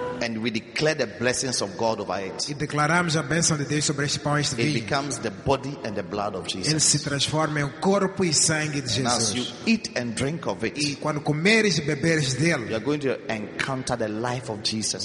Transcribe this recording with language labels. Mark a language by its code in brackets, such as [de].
[en] and we declare the blessings of God over it, [pt] e declaramos a bênção de Deus sobre este pão e este vinho, [en] it becomes the body and the blood of Jesus. [pt] Ele se transforma em corpo e sangue de Jesus. [en] And as you eat and drink of it, [pt] e quando comeres e beberes dele, [en] you are going to encounter the life of Jesus.